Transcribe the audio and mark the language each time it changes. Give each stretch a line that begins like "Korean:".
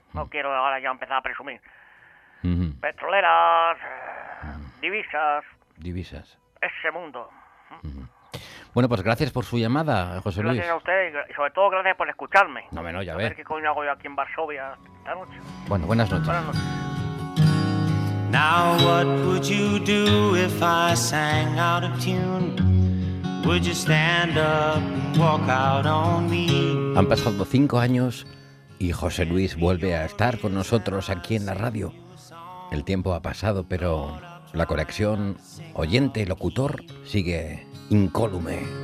Spanish: No quiero ahora ya empezar a presumir. Petroleras, divisas. Divisas. Ese mundo. Bueno, pues gracias por su llamada, José Luis. Gracias a usted y sobre todo gracias por escucharme. No, ya ves. A ver qué coño hago yo aquí en Varsovia esta noche. Bueno, buenas noches. Buenas noches.
English: Now what would you do if I sang out of tune? Would you stand up and walk out on me?
Spanish: Han pasado 5 años y José Luis vuelve a estar con nosotros aquí en la radio. El tiempo ha pasado, pero la conexión oyente-locutor sigue incólume.